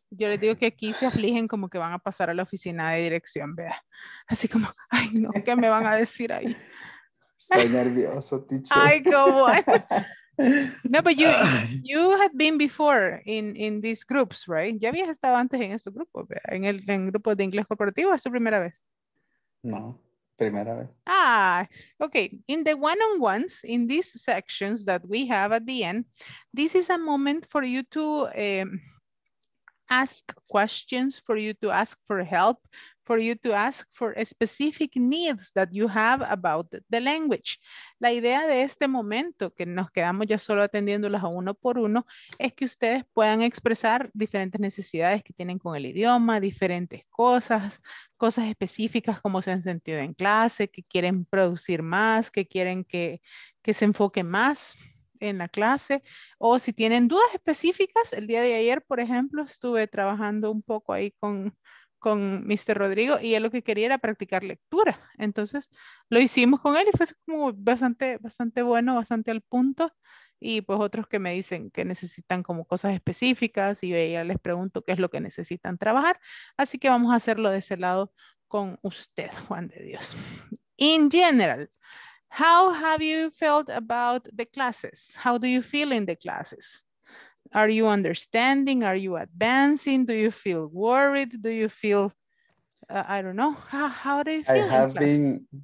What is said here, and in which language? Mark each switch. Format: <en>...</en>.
<es>Yo les digo que aquí se afligen como que van a pasar a la oficina de dirección, vea. Así como, ay, no, ¿qué me van a decir ahí? Estoy nervioso, teacher. Ay, ¿cómo?</es> <en>No, but you had been before in these groups, right?</en> <es>¿Ya habías estado antes en estos grupos, vea? En el grupo de inglés corporativo, ¿es tu primera vez? No. Primera vez. Ah, okay.</es> <en>In the one-on-ones, in these sections that we have at the end, this is a moment for you to ask questions, for you to ask for help, for you to ask for specific needs that you have about the language.</en> <es>La idea de este momento, que nos quedamos ya solo atendiéndolos a uno por uno, es que ustedes puedan expresar diferentes necesidades que tienen con el idioma, diferentes cosas, cosas específicas como se han sentido en clase, que quieren producir más, que quieren que se enfoque más en la clase, o si tienen dudas específicas. El día de ayer, por ejemplo, estuve trabajando un poco ahí con Mr. Rodrigo, y él lo que quería era practicar lectura. Entonces lo hicimos con él y fue como bastante, bastante bueno, bastante al punto. Y pues otros que me dicen que necesitan como cosas específicas, y yo ya les pregunto qué es lo que necesitan trabajar. Así que vamos a hacerlo de ese lado con usted, Juan de Dios.</es> <en>In general, how have you felt about the classes? How do you feel in the classes? Are you understanding? Are you advancing? Do you feel worried? Do you feel, I don't know, how do you feel?</en>